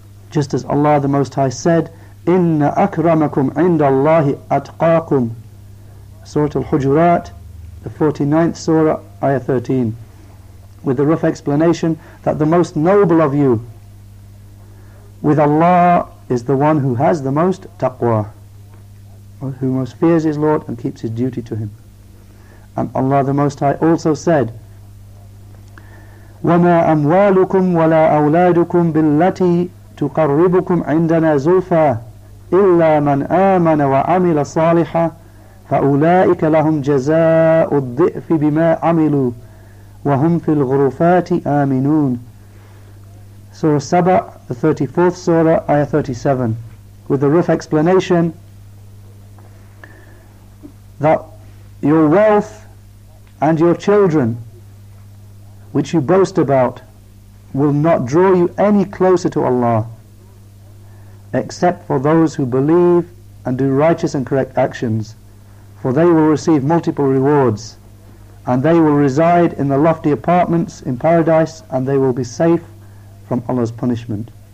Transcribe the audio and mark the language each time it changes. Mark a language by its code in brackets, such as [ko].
[en] Just as Allah the Most High said, [ar] Inna akramakum inda Allahi atqakum, [en] Surah Al-Hujurat, the 49th surah, ayah 13. With the rough explanation that the most noble of you with Allah is the one who has the most taqwa, who most fears his Lord and keeps his duty to him. And Allah the Most High also said, [ar] وَمَا أَمْوَالُكُمْ وَلَا أَوْلَادُكُمْ بِالَّتِي تُقَرِّبُكُمْ عِنْدَنَا زُلْفَى إِلَّا مَنْ آمَنَ وَعَمِلَ صَالِحًا فَأُولَٰئِكَ لَهُمْ جَزَاءُ الضِّئْفِ بِمَا عَمِلُوا وَهُمْ فِي الْغُرُفَاتِ آمِنُونَ [en] Surah Saba, the 34th surah, ayah 37. With a rough explanation that your wealth and your children, which you boast about, will not draw you any closer to Allah, except for those who believe and do righteous and correct actions, for they will receive multiple rewards, and they will reside in the lofty apartments in paradise, and they will be safe from Allah's punishment.